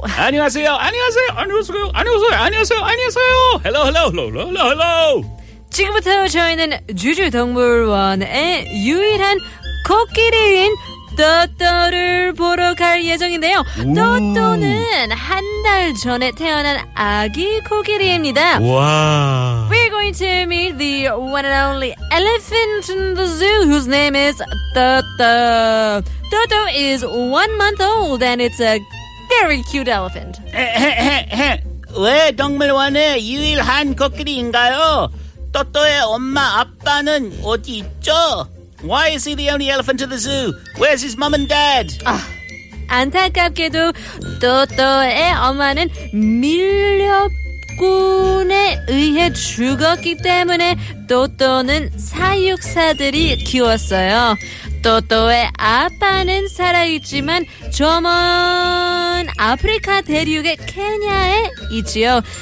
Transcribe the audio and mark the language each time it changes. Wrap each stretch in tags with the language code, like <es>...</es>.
<ko>안녕하세요.</ko> <en>Hello.</en> <ko>지금부터 저희는 주주 동물원의 유일한 코끼리인 또또를 보러 갈 예정인데요. 또또는 한 달 전에 태어난 아기 코끼리입니다. 와.</ko> <en>We're going to meet the one and only elephant in the zoo whose name is 또또. 또또 is 1 month old and it's a very cute elephant.</en> <ko>왜 동물원의 유일한 코끼리인가요? 또또의 엄마 아빠는 어디 있죠?</ko> <en>Why is he the only elephant in the zoo? Where's his mum and dad?</en> <ko>안타깝게도 또또의 엄마는 밀렵꾼에 의해 죽었기 때문에 또또는 사육사들이 키웠어요. 또또의 아빠는 살아있지만 저 먼 아프리카 대륙의 케냐에 있지요.</ko>